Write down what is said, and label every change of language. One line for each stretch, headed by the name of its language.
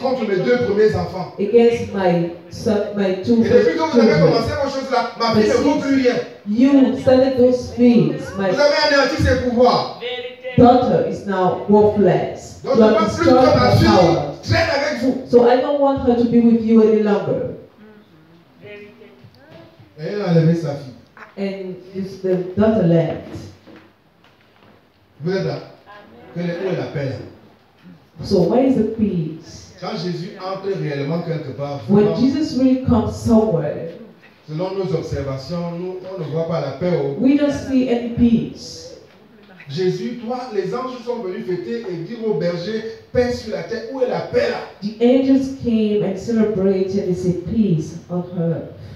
French: Contre mes deux premiers enfants.
English: Against my son, my two.
French: Et depuis que vous avez commencé vos choses là, ma fille ne vaut plus rien.
English: You started those things, my
French: vous avez anéanti ses pouvoirs.
English: Daughter is now worthless.
French: Donc je ne veux plus que ma fille traîne avec vous.
English: So I don't want her to be with you any longer.
French: Et elle a enlevé sa fille.
English: And it's the daughter left.
French: Vous êtes là. Quelle est la paix?
English: So where is the peace?
French: Quand Jésus entre réellement quelque part.
English: When Jesus really comes somewhere.
French: Selon nos observations, nous on ne voit pas la paix.
English: We don't see any peace.
French: Jésus, toi, les anges sont venus fêter et dire aux bergers, paix sur la terre, où est la paix là?
English: The angels came and celebrated and said, peace on earth.